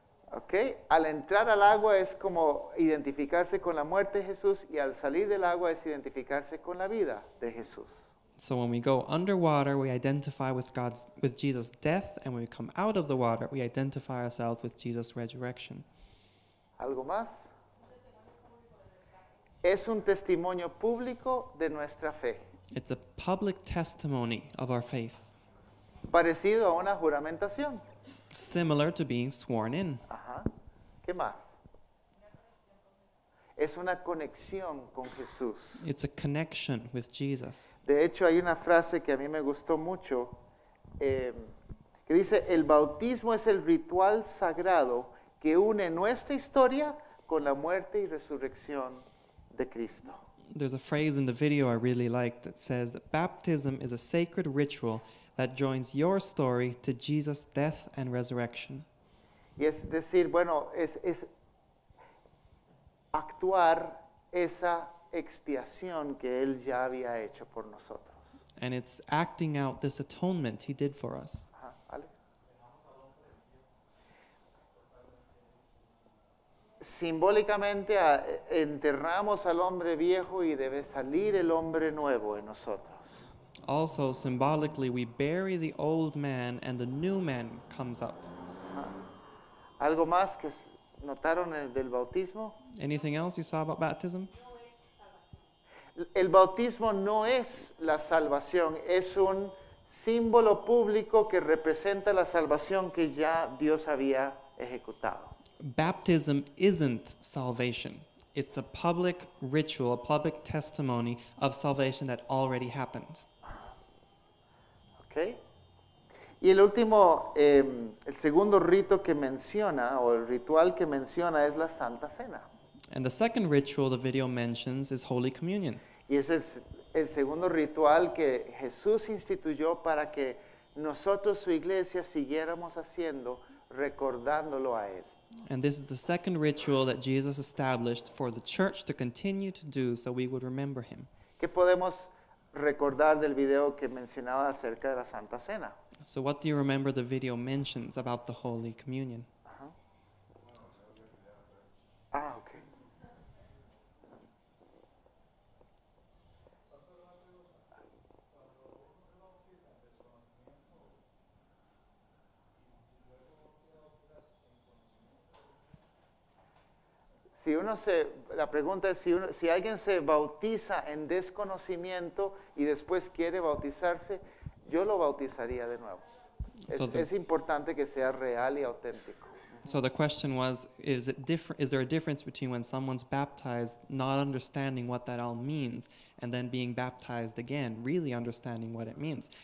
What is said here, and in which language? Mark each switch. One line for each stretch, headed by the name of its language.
Spanish: Okay, al entrar al agua es como identificarse con la muerte de Jesús y al salir del agua es identificarse con la vida de Jesús.
English: So when we go underwater, we identify with Jesus' death, and when we come out of the water, we identify ourselves with Jesus' resurrection.
Spanish: ¿Algo más? Es un testimonio público de nuestra fe.
English: It's a public testimony of our faith.
Spanish: Parecido a una juramentación.
English: Similar to being sworn in.
Spanish: Ajá. ¿Qué más? Es una conexión con Jesús.
English: It's a connection with Jesus.
Spanish: De hecho, hay una frase que a mí me gustó mucho, que dice, el bautismo es el ritual sagrado que une nuestra historia con la muerte y resurrección de Cristo.
English: There's a phrase in the video I really liked that says that baptism is a sacred ritual that joins your story to Jesus' death and resurrection.
Spanish: Y es decir, bueno, es actuar esa expiación que Él ya había hecho por nosotros.
English: And it's acting out this atonement He did for us.
Spanish: Simbólicamente enterramos al hombre viejo y debe salir el hombre nuevo en nosotros.
English: Also, symbolically, we bury the old man and the new man comes up.
Spanish: ¿Algo más que notaron del bautismo?
English: Anything else you saw about baptism?
Spanish: El bautismo no es la salvación, es un símbolo público que representa la salvación que ya Dios había ejecutado.
English: Baptism isn't salvation. It's a public ritual, a public testimony of salvation that already happened. Okay.
Spanish: Y el último, el segundo rito que menciona, o el ritual que menciona, es la Santa Cena.
English: And the second ritual the video mentions is Holy Communion.
Spanish: Y es el segundo ritual que Jesús instituyó para que nosotros, su iglesia, siguiéramos haciendo, recordándolo a Él.
English: And this is the second ritual that Jesus established for the church to continue to do so we would remember him.
Spanish: ¿Qué podemos recordar del video que mencionaba acerca de la Santa Cena?
English: So what do you remember the video mentions about the Holy Communion? Uh-huh. Ah, okay.
Spanish: Si uno se, la pregunta es, si alguien se bautiza en desconocimiento y después quiere bautizarse, yo lo bautizaría de nuevo. Es importante que sea real y auténtico.
English: So the question was, is there a difference between when someone's baptized not understanding what that all means and then being baptized again, really understanding what it means?